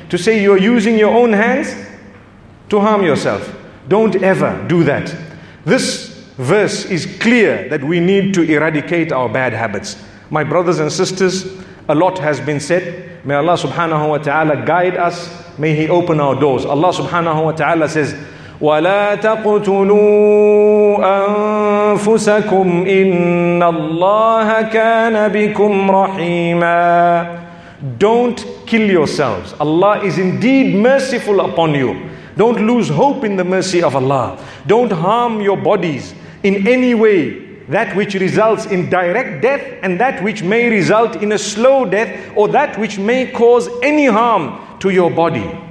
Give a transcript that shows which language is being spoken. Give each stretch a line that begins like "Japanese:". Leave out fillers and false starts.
English: To say you're using your own hands to harm yourself. Don't ever do that. This verse is clear that we need to eradicate our bad habits. My brothers and sisters, a lot has been said. May Allah subhanahu wa ta'ala guide us. May He open our doors. Allah subhanahu wa ta'ala says,
Arabic: وَلَا تَقْتُلُوا أَنفُسَكُمْ إِنَّ اللَّهَ كَانَ بِكُمْ رَحِيمًا.
English: Don't kill yourselves. Allah is indeed merciful upon you. Don't lose hope in the mercy of Allah. Don't harm your bodies in any way. That which results in direct death and that which may result in a slow death or that which may cause any harm to your body.